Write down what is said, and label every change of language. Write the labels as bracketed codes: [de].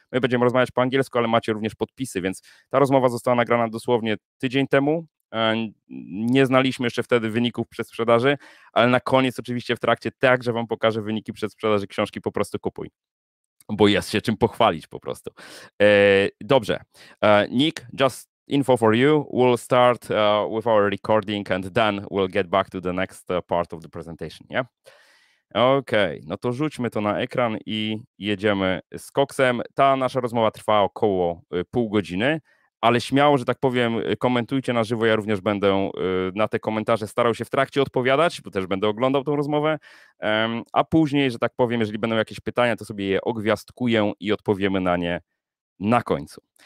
[pl] My będziemy rozmawiać po angielsku, ale macie również podpisy, więc ta rozmowa została nagrana dosłownie tydzień temu. Nie znaliśmy jeszcze wtedy wyników przedsprzedaży, ale na koniec oczywiście w trakcie także wam pokażę wyniki przedsprzedaży książki Po prostu kupuj, bo jest się czym pochwalić po prostu. Dobrze. [en] Nick, just info for you. We'll start with our recording and then we'll get back to the next part of the presentation, yeah? [pl] Okej, okay, no to rzućmy to na ekran i jedziemy z koksem. Ta nasza rozmowa trwa około pół godziny, ale śmiało, że tak powiem, komentujcie na żywo, ja również będę na te komentarze starał się w trakcie odpowiadać, bo też będę oglądał tą rozmowę, a później, że tak powiem, jeżeli będą jakieś pytania, to sobie je ogwiazdkuję i odpowiemy na nie na końcu.